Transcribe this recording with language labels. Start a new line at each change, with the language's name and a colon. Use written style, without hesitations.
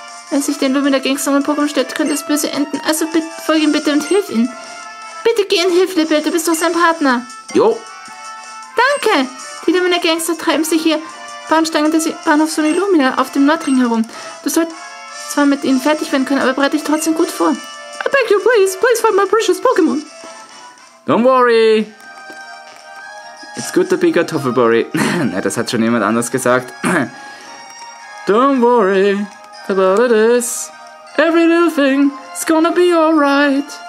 German: Wenn sich der Illumina Gangster um ein Pokémon stellt, könnte es böse enden. Also folge ihm bitte und hilf ihm. Bitte geh und hilf, Lebel, du bist doch sein Partner. Jo. Danke! Die Illumina Gangster treiben sich hier Bahnsteigen des Bahnhofs von Illumina auf dem Nordring herum. Du sollst zwar mit ihnen fertig werden können, aber bereite dich trotzdem gut vor.
English: I beg you, please find my precious Pokémon. Don't worry. It's good to be a Toffelberry.
German: Ne, das hat schon jemand anders gesagt.
English: Don't worry about this. Every little thing is gonna be alright.